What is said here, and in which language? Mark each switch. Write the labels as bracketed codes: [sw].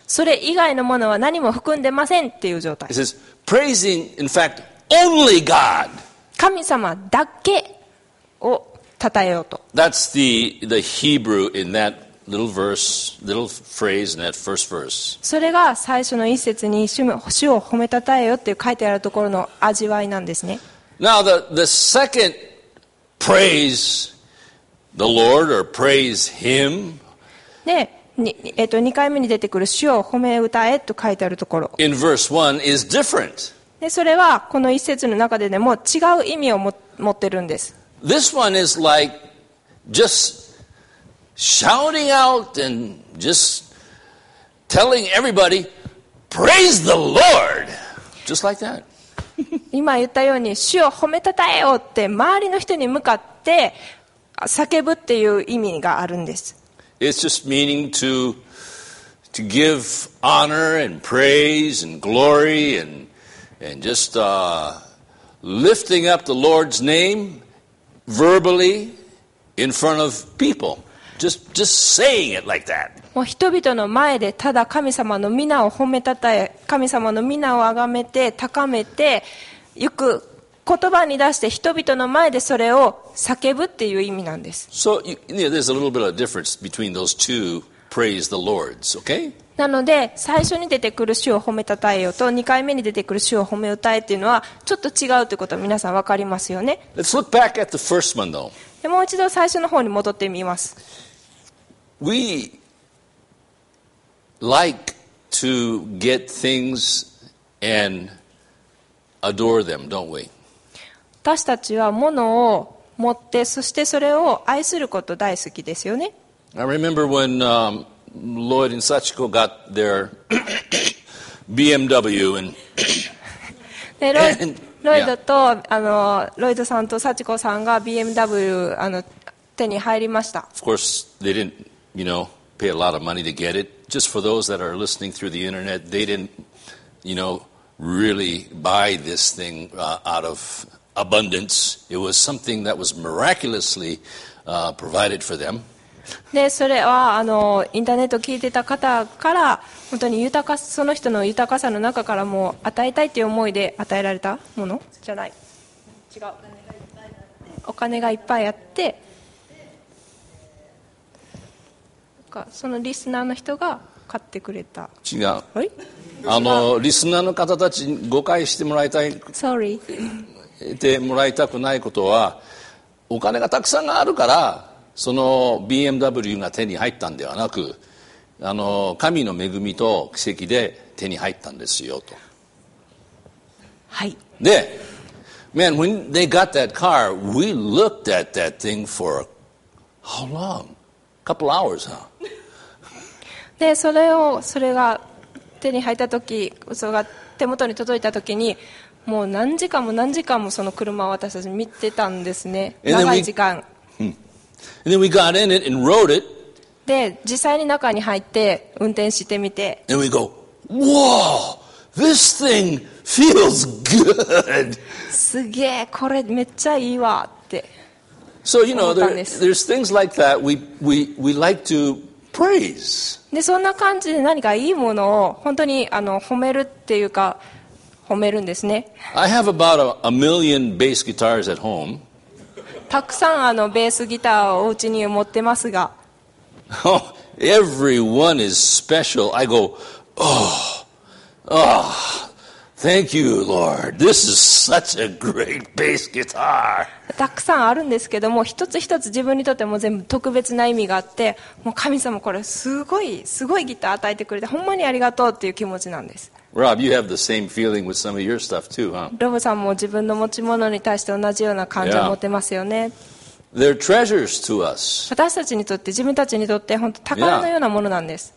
[ja] それ以外のものは何も含んでませんっていう状態。 [en] It says, praising, in fact, only God. [ja] 神様だけを讃えようと。 [en] That's the Hebrew in that little verse, little phrase in that first verse. [ja] それが最初の一節に主を褒め讃えよって書いてあるところの味わいなんですね。 [en] Now the second praise the Lord or praise Him. [ja] で、2回目に出てくる主を褒め歌えと書いてあるところ。 [en] In verse 1 is different. [ja] で、それはこの一節の中ででも違う意味を持ってるんです。 [en] This one is like just shouting out and just telling everybody, praise the Lord! Just like that. [ja] 今言ったように主を褒めたたえよって周りの人に向かって叫ぶっていう意味があるんです。 [en] It's just meaning to give honor and praise and glory and just lifting up the Lord's name verbally in front of people. Just saying it like that. [ja] もう人々の前でただ神様の皆を褒めたたえ、神様の皆を崇めて高めて行く言葉に出して人々の前でそれを叫ぶっていう意味なんです。 [en] So, there's a little bit of difference between those two praise the Lords, okay? [ja] なので、最初に出てくる主を褒めたたえよと、2回目に出てくる主を褒め歌えっていうのは、ちょっと違うということは皆さん分かりますよね。 [en] Let's look back at the first one, though. [ja] でもう一度最初の方に戻ってみます。 [en] We like to get things and adore them, don't we? [ja] 私たちは物を持って、そしてそれを愛すること大好きですよね。 [en] I remember when Lloyd and Sachiko got their BMW and [ja] ロイドと、 [en] yeah. [ja] ロイドさんとサチコさんが BMW 手に入りました。 [en] Of course, they didn't, you know, pay a lot of money to get it. Just for those that are listening through the internet, they didn't, you know, really buy this thing out of. Abundance. It was something that was miraculously provided for them. [ja] で、それはインターネットを聞いてた方から本当に豊かさ、その人の豊かさの中からもう与えたいという思いで与えられたものじゃない。違う。お金がいっぱいあって、そのリスナーの人が買ってくれた。違う。あのリスナーの方たちに誤解してもらいたい。 [en] Sorry。 [ja] でもらいたくないことは、お金がたくさんあるからその BMW が手に入ったんではなく、あの神の恵みと奇跡で手に入ったんですよと。はい。 [en] で、man, when they got that car, we looked at that thing for how long? Couple hours, huh? [ja] で、それが手に入った時、それが手元に届いた時に、もう何時間も何時間もその車を私たち見てたんですね。長い時間。 [en] And then we got in it and rode it. [ja] で、実際に中に入って運転してみて。 [en] And we go, wow, this thing feels good. [ja] すげえ、これめっちゃいいわって。 [en] So, you know, there's things like that we like to praise. [ja] で、そんな感じで何かいいものを本当にあの褒めるっていうか、褒めるんですね。 [en] I have about a million bass guitars at home. [ja] たくさんあのベースギターをお家に持ってますが。 [en] Oh, everyone is special. I go, oh, oh, thank you, Lord. This is such a great bass guitar. [ja] たくさんあるんですけども、一つ一つ自分にとっても全部特別な意味があって、もう神様これすごいすごいギター与えてくれて、ほんまにありがとうっていう気持ちなんです。 [en] Rob, you have the same feeling with some of your stuff too, huh? [ja] ロブさんも自分の持ち物に対して同じような感情を持ってますよね。 [en] They're treasures to us. [ja] 私たちにとって、自分たちにとって本当宝のようなものなんです。